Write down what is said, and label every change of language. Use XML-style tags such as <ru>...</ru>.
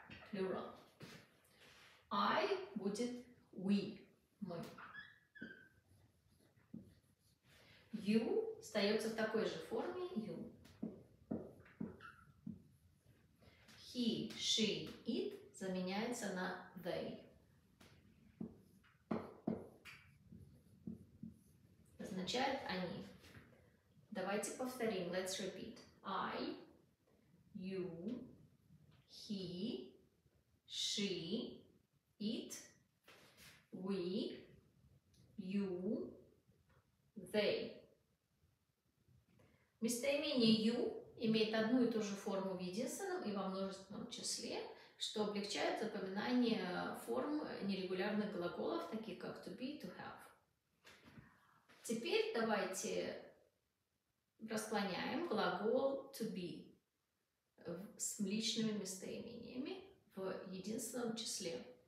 <en>Plural.</en> <ru>I будет we, мы. You остается в такой же форме, you.</ru> <en>He, she, it</en> <ru>заменяется на</ru> <en>they.</en> <ru>Означает они. Давайте повторим.</ru> <en>Let's repeat. I, you, he, she, it, we, you, they.</en> <ru>Местоимение you имеет одну и ту же форму в единственном и во множественном числе, что облегчает запоминание форм нерегулярных глаголов, таких как to be, to have. Теперь давайте расклоняем глагол to be с личными местоимениями в единственном числе.</ru>